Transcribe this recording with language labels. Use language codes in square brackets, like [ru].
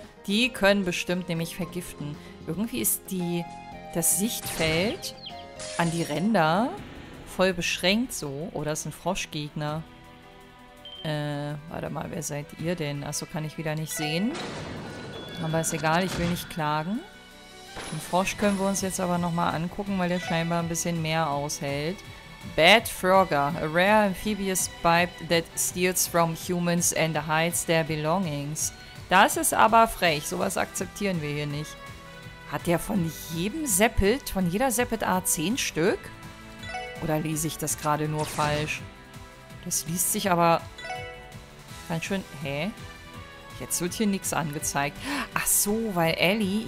[de] Die können bestimmt nämlich vergiften. Irgendwie ist das Sichtfeld an die Ränder voll beschränkt so. Oh, das ist ein Froschgegner. Warte mal, wer seid ihr denn? Achso, kann ich wieder nicht sehen. Aber ist egal, ich will nicht klagen. Den Frosch können wir uns jetzt aber nochmal angucken, weil der scheinbar ein bisschen mehr aushält. [en] Bad Frogger, a rare amphibious bipe that steals from humans and hides their belongings. [de] Das ist aber frech. Sowas akzeptieren wir hier nicht. Hat der von jedem Seppelt, von jeder Seppelt-Art 10 Stück? Oder lese ich das gerade nur falsch? Das liest sich aber ganz schön... Hä? Jetzt wird hier nichts angezeigt. Ach so, weil Ellie...